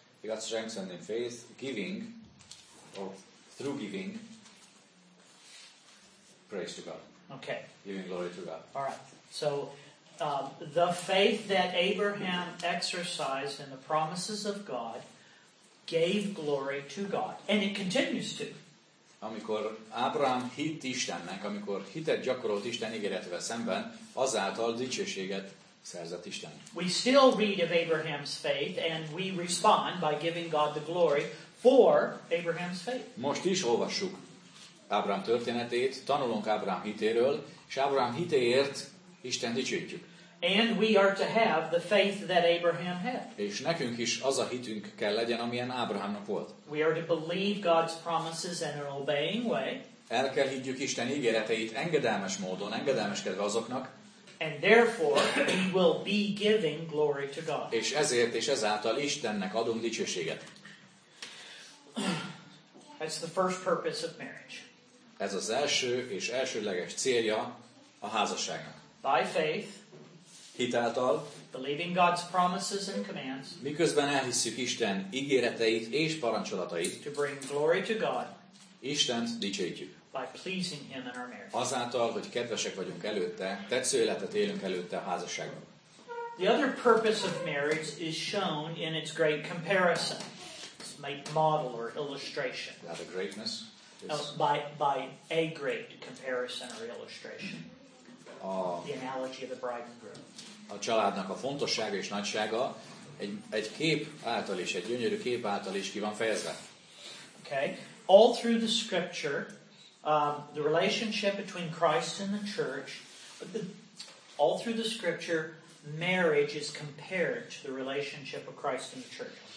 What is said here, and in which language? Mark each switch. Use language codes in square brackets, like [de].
[en] He got strengthened in faith, giving, or through giving, praise to God. Okay. Giving glory to God. All right. So, the faith that Abraham exercised in the promises of God gave glory to God. And it continues to. [hu] Amikor Ábrahám hitt Istennek, amikor hitet gyakorolt Isten ígéretével szemben, azáltal dicsőséget szerzett Isten. [en] We still read of Abraham's faith and we respond by giving God the glory for Abraham's faith. [hu] Most is olvassuk Ábrahám történetét, tanulunk Ábrahám hitéről, és Ábrahám hitéért Isten dicsőítjük. [en] And we are to have the faith that Abraham had. [hu] És nekünk is az a hitünk kell legyen, amilyen Ábrahámnak volt. [en] We are to believe God's promises in an obeying way. [hu] El kell higgyük Isten ígéreteit engedelmes módon, engedelmeskedve azoknak. [en] And therefore we will be giving glory to God. [hu] És ezért és ezáltal Istennek adunk dicsőséget. [en] That's the first purpose of marriage. [hu] Ez az első és elsődleges célja a házasságnak. [en] By faith. [hu] Hitáltal, [en] believing God's promises and commands, [hu] miközben elhisszük Isten ígéreteit és parancsolatait, [en] to bring glory to God, [hu] Istent dicsőítjük. [en] By pleasing him in our marriage. [hu] Azáltal, hogy kedvesek vagyunk előtte, tetsző életet élünk előtte a házasságban. [en] The other purpose of marriage is shown in its great comparison, its model or illustration. That a greatness. Is... By a great comparison or illustration. The analogy of the bride and groom. [hu] A családnak a fontossága és nagysága egy kép által is, egy gyönyörű kép által is ki van fejezve. [en] Okay. All through the scripture, the relationship between Christ and the church, all through the scripture, marriage is compared to the relationship of Christ and the church.